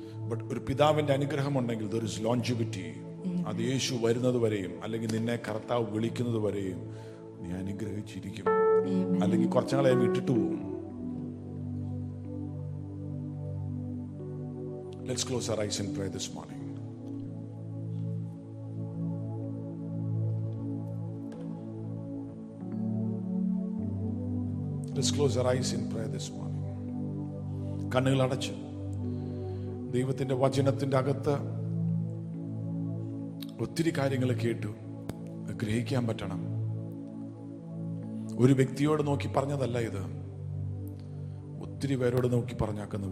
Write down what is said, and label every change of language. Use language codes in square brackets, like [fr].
[ml] But ഒരു പിതാവിന്റെ അനുഗ്രഹം ഉണ്ടെങ്കിൽ [en] There is longevity. [ml] അത് യേശു വരുന്നത് വരെയും, അല്ലെങ്കിൽ നിന്നെ കർത്താവ് വിളിക്കുന്നത് വരെയും നീ അനുഗ്രഹിച്ചിരിക്കും, അല്ലെങ്കിൽ കുറച്ചാളെ വിട്ടിട്ട് പോവും. [en] Let's close our eyes and pray this morning. Let's close our eyes in prayer this morning. [ml] കണ്ണുകൾ അടച്ച് ദൈവത്തിന്റെ വചനത്തിന്റെ അകത്ത് ഒത്തിരി കാര്യങ്ങൾ കേട്ടു ഗ്രഹിക്കാൻ പറ്റണം. ഒരു വ്യക്തിയോട് നോക്കി പറഞ്ഞതല്ല ഇത്, ഒത്തിരി പേരോട് നോക്കി പറഞ്ഞാക്കുന്നു.